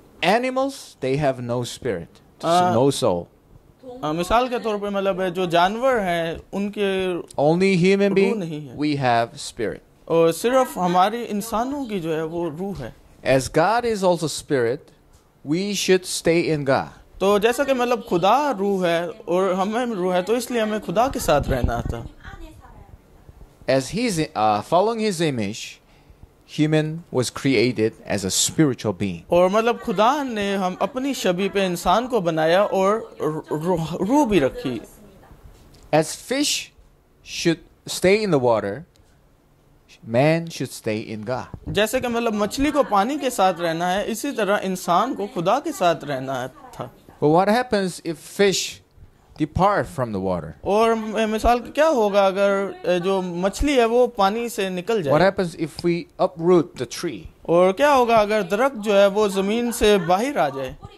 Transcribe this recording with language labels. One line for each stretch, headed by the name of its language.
English: Animals, they have no spirit, no soul.
Urdu: مثال کے طور پہ مطلب ہے جو جانور ہیں ان کے
English: only human being we have spirit.
Urdu: اور صرف ہماری انسانوں کی جو ہے وہ روح ہے.
English: As God is also spirit, we should stay in God.
Urdu: تو جیسا کہ مطلب خدا روح ہے اور ہمیں روح ہے تو اس لیے ہمیں خدا کے ساتھ رہنا آتا.
English: As he's following his image, human was created as a spiritual being.
Urdu: اور مطلب خدا نے ہم اپنی شبیہ پہ انسان کو بنایا اور روح بھی رکھی.
English: As fish should stay in the water, man should stay in God.
Urdu: جیسے کہ مطلب مچھلی کو پانی کے ساتھ رہنا ہے اسی طرح انسان کو خدا کے ساتھ رہنا تھا.
English: But what happens if fish depart from the water?
Urdu: اور مثال کیا ہوگا اگر جو مچھلی ہے وہ پانی سے نکل جائے.
English: What happens if we uproot the tree?
Urdu: اور کیا ہوگا اگر درخت جو ہے وہ زمین سے باہر آ جائے.